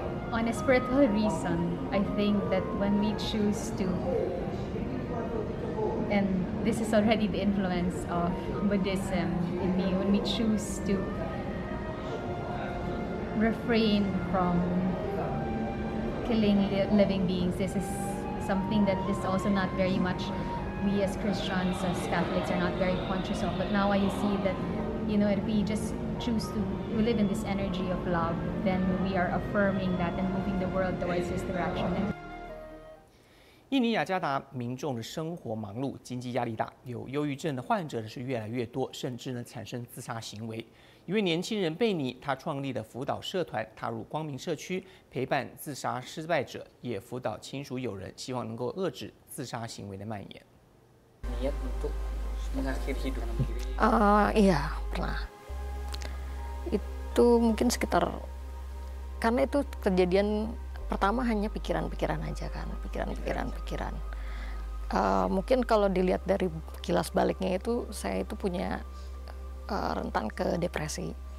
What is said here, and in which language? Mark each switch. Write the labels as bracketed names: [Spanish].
[English] On a spiritual reason, I think that when we choose to, and this is already the influence of Buddhism in me, when we choose to refrain from killing living beings, this is something that is also not very much, we as Christians, as Catholics, are not very conscious of. But now I see that, you know, if we just choose to live in this energy of love, then we are affirming that and moving the world towards this direction. [Chinese] 印尼雅加达民众的生活忙碌，经济压力大，有忧郁症的患者是越来越多，甚至呢产生自杀行为。一位年轻人贝尼，他创立的辅导社团踏入光明社区，陪伴自杀失败者，也辅导亲属友人，希望能够遏制自杀行为的蔓延。 [Indonesian] Iya pernah. Itu mungkin sekitar karena itu kejadian pertama hanya pikiran-pikiran aja kan, pikiran-pikiran. Mungkin kalau dilihat dari kilas baliknya itu saya itu punya rentan ke depresi.